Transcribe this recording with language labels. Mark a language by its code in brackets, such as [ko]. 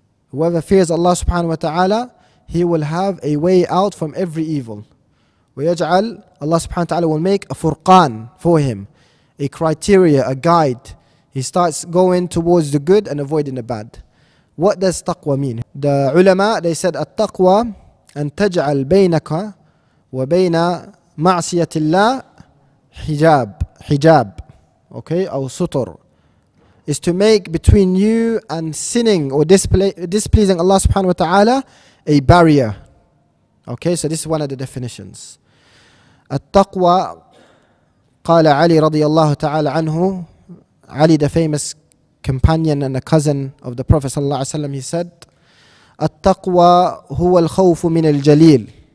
[en] Whoever fears Allah subhanahu wa ta'ala, he will have a way out from every evil. وَيَجْعَلْ Allah subhanahu wa ta'ala will make a furqan for him, a criteria, a guide. He starts going towards the good and avoiding the bad. What does taqwa mean? The ulama, they said, [ar] التقوى أن تجعل بينك وبين معصية الله حجاب. [en] Okay, or sutur, is to make between you and sinning or displeasing Allah subhanahu wa ta'ala a barrier. Okay, so this is one of the definitions. At-taqwa, [ar] قال علي رضي الله تعالى عنه, [en] Ali, the famous companion and a cousin of the Prophet sallallahu alayhi wa sallam, he said, [ar] At-taqwa huwa al-khawf min al-jaleel.